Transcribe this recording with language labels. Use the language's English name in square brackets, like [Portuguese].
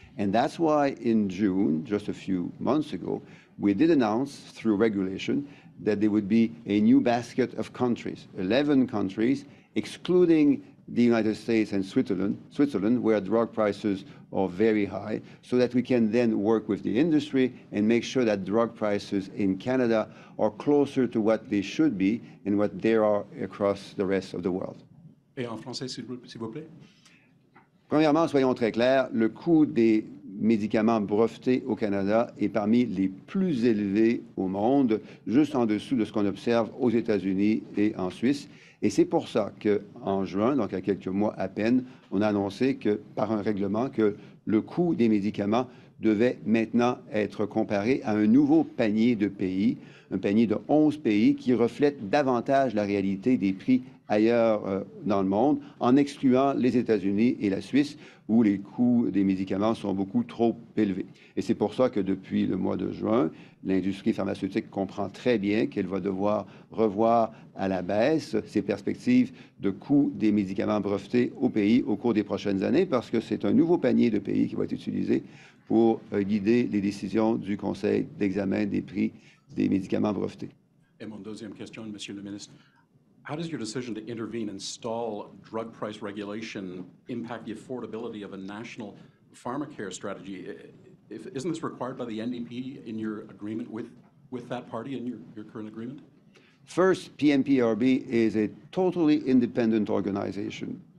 [English] And that's why in June, just a few months ago, we did announce through regulation that there would be a new basket of countries, 11 countries, excluding the United States and Switzerland, where drug prices are very high, so that we can then work with the industry and make sure that drug prices in Canada are closer to what they should be and what they are across the rest of the world. [French] Et en français, s'il vous plaît? Premièrement, soyons très clairs, le coût des médicaments brevetés au Canada est parmi les plus élevés au monde, juste en dessous de ce qu'on observe aux États-Unis et en Suisse. Et c'est pour ça qu'en juin, donc il y a quelques mois à peine, on a annoncé que par un règlement que le coût des médicaments devait maintenant être comparé à un nouveau panier de pays, un panier de 11 pays qui reflète davantage la réalité des prix ailleurs dans le monde, en excluant les États-Unis et la Suisse, où les coûts des médicaments sont beaucoup trop élevés. Et c'est pour ça que depuis le mois de juin, l'industrie pharmaceutique comprend très bien qu'elle va devoir revoir à la baisse ses perspectives de coûts des médicaments brevetés au pays au cours des prochaines années, parce que c'est un nouveau panier de pays qui va être utilisé pour guider les décisions du Conseil d'examen des prix des médicaments brevetés. Et mon deuxième question, Monsieur le ministre. [English] How does your decision to intervene and stall drug price regulation impact the affordability of a national pharmacare strategy? Isn't this required by the NDP in your agreement with that party in your current agreement? First, PMPRB is a totally independent organization.